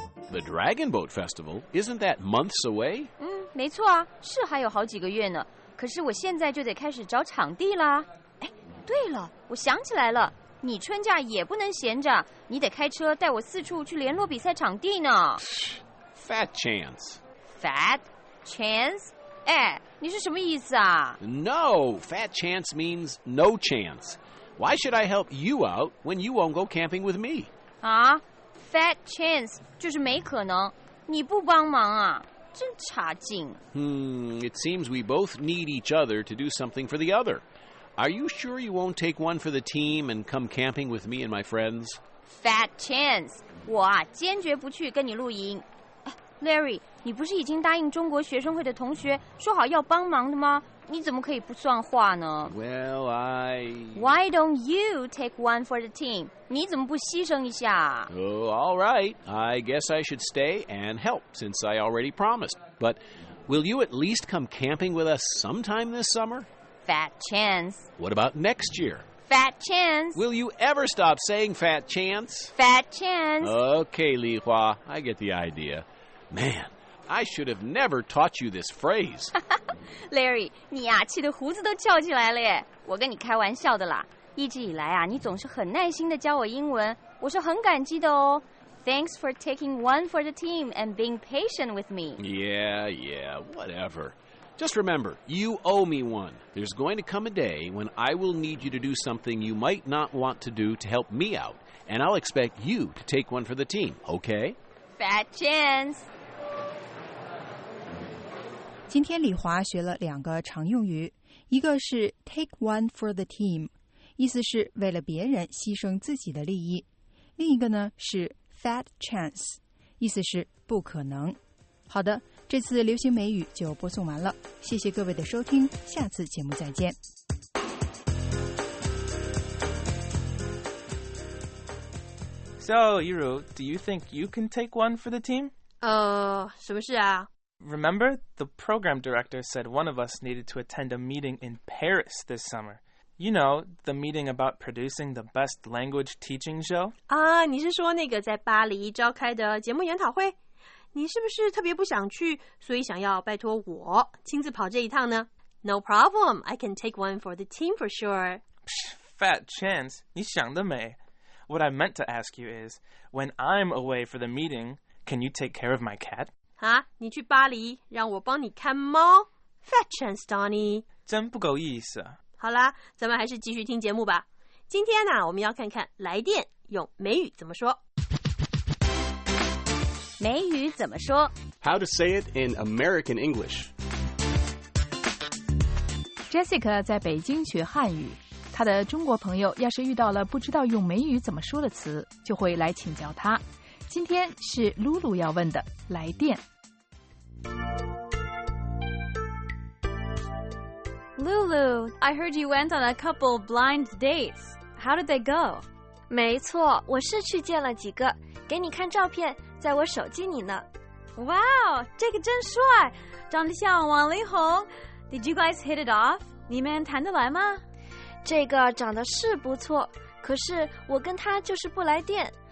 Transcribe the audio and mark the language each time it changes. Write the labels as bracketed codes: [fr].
[en] The Dragon Boat Festival, isn't that months away? [zh] 没错啊，是还有好几个月呢。可是我现在就得开始找场地啦。哎，对了，我想起来了，你春假也不能闲着，你得开车带我四处去联络比赛场地呢。 [en] Fat chance. Fat chance? [zh] 哎，你是什么意思啊？ [en] No, fat chance means no chance. Why should I help you out when you won't go camping with me? [zh] 啊？ [en] Fat chance [zh] 就是没可能，你不帮忙啊，真差劲。 [en] It seems we both need each other to do something for the other. Are you sure you won't take one for the team and come camping with me and my friends? Fat chance, [zh] 我啊坚决不去跟你露营。 Larry, 你不是已经答应中国学生会的同学说好要帮忙的吗？你怎么可以不算话呢？ [en] Well, I... Why don't you take one for the team? [zh] 你怎么不牺牲一下？ [en] Oh, all right. I guess I should stay and help, since I already promised. But will you at least come camping with us sometime this summer? Fat chance. What about next year? Fat chance. Will you ever stop saying fat chance? Fat chance. Okay, Li Hua, I get the idea. Man, I should have never taught you this phrase. [zh] Larry, 你呀、啊、气得胡子都翘起来了耶。我跟你开玩笑的啦。一直以来啊，你总是很耐心地教我英文，我是很感激的哦。 [en] Thanks for taking one for the team and being patient with me. Yeah, yeah, whatever. Just remember, you owe me one. There's going to come a day when I will need you to do something you might not want to do to help me out, and I'll expect you to take one for the team, okay? Fat chance. [zh] 今天李华学了两个常用语，一个是 [en] take one for the team， [zh] 意思是为了别人牺牲自己的利益；另一个呢是 [en] fat chance， [zh] 意思是不可能。好的，这次流行美语就播送完了，谢谢各位的收听，下次节目再见。 [en] So, Yiru, do you think you can take one for the team? [zh] 什么事啊？ [en] Remember, the program director said one of us needed to attend a meeting in Paris this summer. You know, the meeting about producing the best language teaching show? [zh] 啊，你是说那个在巴黎召开的节目研讨会？你是不是特别不想去，所以想要拜托我亲自跑这一趟呢？ [en] No problem, I can take one for the team for sure. Psh, fat chance, [zh] 你想得美。 [en] What I meant to ask you is, when I'm away for the meeting, can you take care of my cat? [zh] 啊，你去巴黎，让我帮你看猫 ？ [en] Fat chance, [zh] Donnie，真不够意思。好啦，咱们还是继续听节目吧。今天呢、啊，我们要看看来电用美语怎么说。美语怎么说 [en] ？How to say it in American English? [zh] Jessica 在北京学汉语，她的中国朋友要是遇到了不知道用美语怎么说的词，就会来请教她。今天是露露要问的来电。 [en] Lulu, I heard you went on a couple blind dates. How did they go? [zh] 没错，我是去见了几个，给你看照片，在我手机里呢。 Wow, 这个真帅，长得像王力宏。 [en] Did you guys hit it off? [zh] 你们谈得来吗？这个长得是不错，可是我跟他就是不来电。